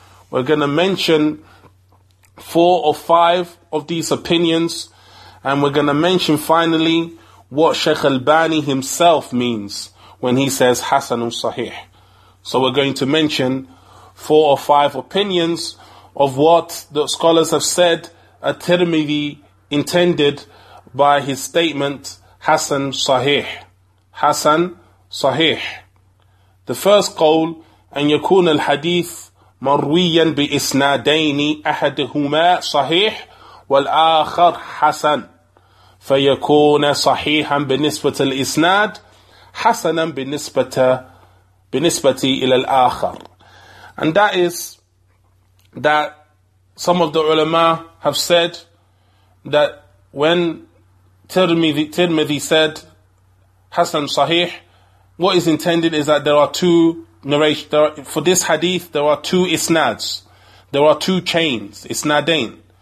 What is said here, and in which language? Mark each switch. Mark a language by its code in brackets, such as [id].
[en] We're going to mention four or five of these opinions, and we're going to mention finally what Sheikh Albani himself means when he says Hasan Sahih. So we're going to mention four or five opinions of what the scholars have said At-Tirmidhi intended by his statement Hasan Sahih. Hasan Sahih. The first qawl, [ar] أن يكون الحديث مرويا بإسنادين أحدهما صحيح والآخر حسن فيكون صحيحا بالنسبة الإسناد حَسَنًا بِنِسْبَةِ إِلَى الْآخَرِ. [en] And that is that some of the ulama have said that when Tirmidhi said Hasan Sahih, what is intended is that there are two narrations. For this hadith, there are two isnads. There are two chains, isnadain.